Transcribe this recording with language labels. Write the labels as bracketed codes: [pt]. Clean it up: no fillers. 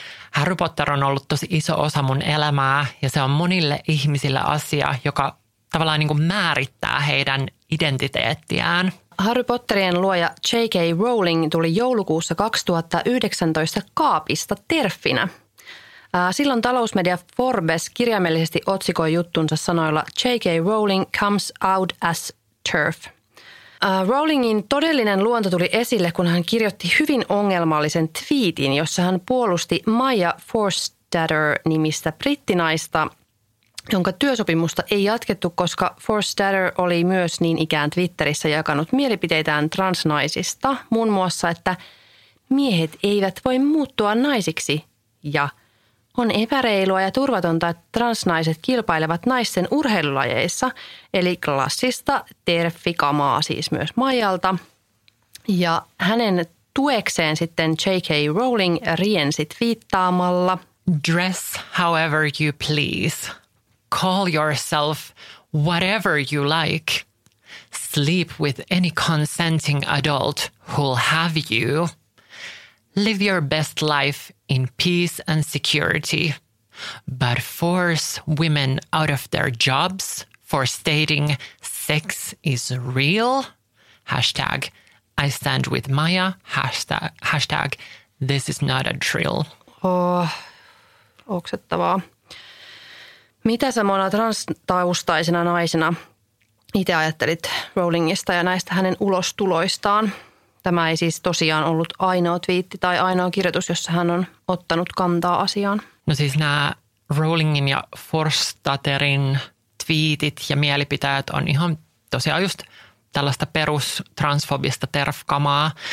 [fi] Harry Potter on ollut tosi iso osa mun elämää ja se on monille ihmisille asia, joka tavallaan niin kuin määrittää heidän identiteettiään. Harry Potterien luoja J.K. Rowling tuli joulukuussa 2019 kaapista terffinä. Silloin talousmedia Forbes kirjaimellisesti otsikoi juttunsa sanoilla J.K. [en] Rowling comes out as TERF. [fi] Rowlingin todellinen luonto tuli esille, kun hän kirjoitti hyvin ongelmallisen twiitin, jossa hän puolusti Maya Forstadter-nimistä brittinaista, jonka työsopimusta ei jatkettu, koska Forstadter oli myös niin ikään Twitterissä jakanut mielipiteitään transnaisista, muun muassa, että miehet eivät voi muuttua naisiksi ja on epäreilua ja turvatonta, että transnaiset kilpailevat naisten urheilulajeissa, eli klassista terffikamaa siis myös Maijalta. Ja hänen tuekseen sitten J.K. Rowling riensi twiittaamalla. [en] Dress however you please. Call yourself whatever you like. Sleep with any consenting adult who'll have you. Live your best life in peace and security, but force women out of their jobs for stating sex is real? Hashtag I stand with Maya. Hashtag this is not a drill. [fi] Oksettavaa. Mitä sä mona transtaustaisena naisena itse ajattelit Rowlingista ja näistä hänen ulostuloistaan? Tämä ei siis tosiaan ollut ainoa twiitti tai ainoa kirjoitus, jossa hän on ottanut kantaa asiaan. No siis nämä Rowlingin ja Forstaterin twiitit ja mielipiteet on ihan tosiaan just tällaista perustransfobista terfkamaa.